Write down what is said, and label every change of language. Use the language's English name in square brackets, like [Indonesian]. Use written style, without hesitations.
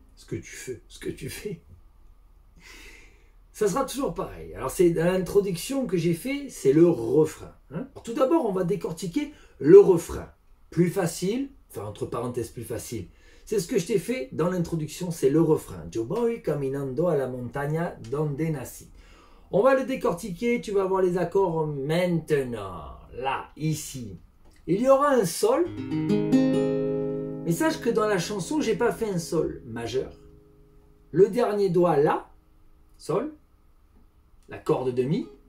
[French] Ce que tu fais, ce que tu fais. Ça sera toujours pareil. Alors, c'est l'introduction que j'ai fait, c'est le refrain. Alors, tout d'abord, on va décortiquer le refrain. Plus facile, enfin, entre parenthèses, plus facile. C'est ce que je t'ai fait dans l'introduction, c'est le refrain. [Spanish] Yo voy caminando a la montaña donde nací. [French] On va le décortiquer, tu vas voir les accords maintenant. Là, ici. Il y aura un sol. Mais sache que dans la chanson, je n'ai pas fait un sol majeur. Le dernier doigt là, sol, la corde de mi.